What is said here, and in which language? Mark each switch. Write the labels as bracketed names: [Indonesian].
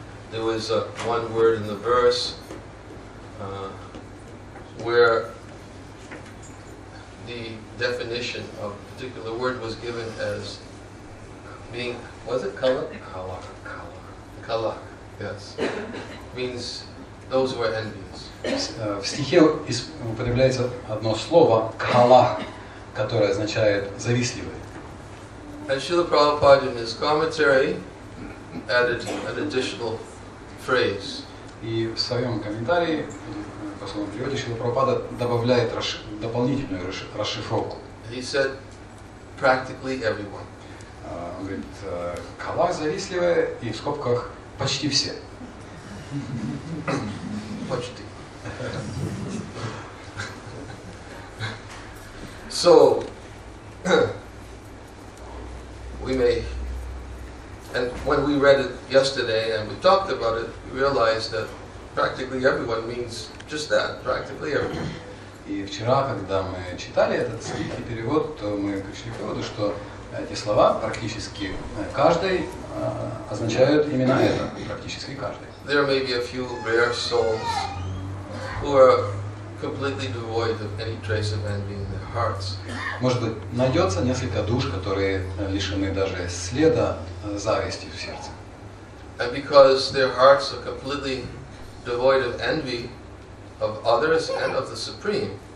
[English] There was one word in the verse where the definition of a particular word was given as being, was it kalak? Kalak. Kalak, yes, means those who are envious. [Russian] В стихе употребляется одно слово «калах», которое означает «завистливый». [English] And Srila Prabhupada in his commentary added an additional phrase. [Russian] И в своем комментарии, по словам переводе, Шрила Прабхупада добавляет дополнительную расшифровку. [English] He said practically everyone. [Russian] Он говорит «калах завистливый» и в скобках почти все. Почти. [English] So, we may, and when we read it yesterday and we talked about it, we realized that practically everyone means just that, practically everyone. [Russian] И вчера, когда мы читали этот стих и перевод, то мы пришли к выводу, что эти слова практически каждый означают именно это, практически каждый. [English] There may be a few rare souls who are completely devoid of any trace of envy in their hearts. [Russian] Может быть, найдется несколько душ, которые лишены даже следа зависти в сердце. [English] And because their hearts are completely devoid of envy of others and of the Supreme.